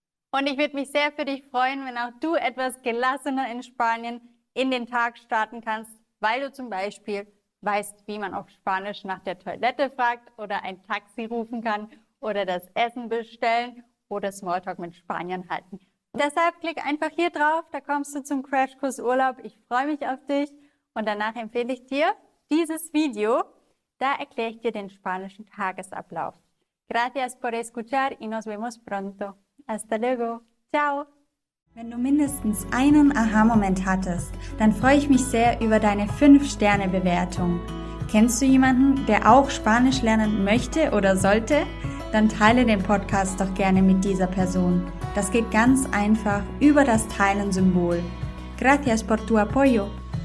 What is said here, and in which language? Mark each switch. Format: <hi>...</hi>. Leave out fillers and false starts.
<de>Und ich würde mich sehr für dich freuen, wenn auch du etwas gelassener in Spanien in den Tag starten kannst, weil du zum Beispiel weißt, wie man auf Spanisch nach der Toilette fragt oder ein Taxi rufen kann oder das Essen bestellen oder Smalltalk mit Spaniern halten. Deshalb klick einfach hier drauf, da kommst du zum Crashkurs Urlaub. Ich freue mich auf dich und danach empfehle ich dir dieses Video. Da erkläre ich dir den spanischen Tagesablauf.</de> <es>Gracias por escuchar y nos vemos pronto. Hasta luego. Ciao.</es> <de>Wenn du mindestens einen Aha-Moment hattest, dann freue ich mich sehr über deine 5-Sterne-Bewertung. Kennst du jemanden, der auch Spanisch lernen möchte oder sollte? Dann teile den Podcast doch gerne mit dieser Person. Das geht ganz einfach über das Teilen-Symbol.</de> <es>Gracias por tu apoyo.</es>